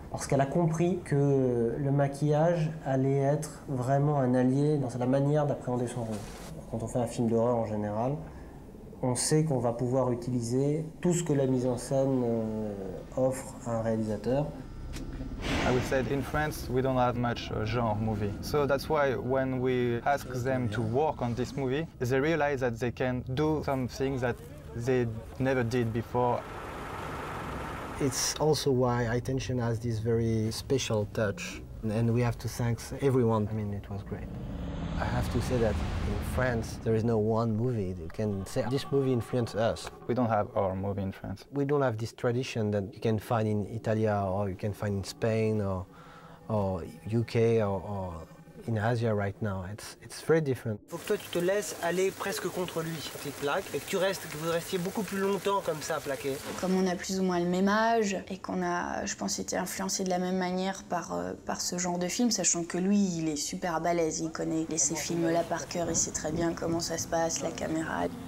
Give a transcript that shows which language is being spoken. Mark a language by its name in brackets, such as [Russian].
[French] Parce qu'elle a compris que le maquillage allait être vraiment un allié dans la manière d'appréhender son rôle. Quand on fait un film d'horreur en général, on sait qu'on va pouvoir utiliser tout ce que la mise en scène offre à un réalisateur. [English] I would say in France we don't have much genre movie, so that's why when we ask them to work on this movie, they realize that they can do some things that they never did before. It's also why Haute Tension has this very special touch, and we have to thank everyone. I mean, it was great. I have to say that in France, there is no one movie that can say this movie influenced us. We don't have our movie in France. We don't have this tradition that you can find in Italia, or you can find in Spain, or UK, or in Asia right now. It's very different. [French] Faut que toi tu te laisses aller presque contre lui, tu plaques, et que tu restes, que vous restiez beaucoup plus longtemps comme ça plaqué. Comme on a plus ou moins le même âge et qu'on a, je pense, été influencé de la même manière par ce genre de film, sachant que lui, il est super balèze, il connaît ces films-là par cœur, il sait très bien comment ça se passe, la caméra.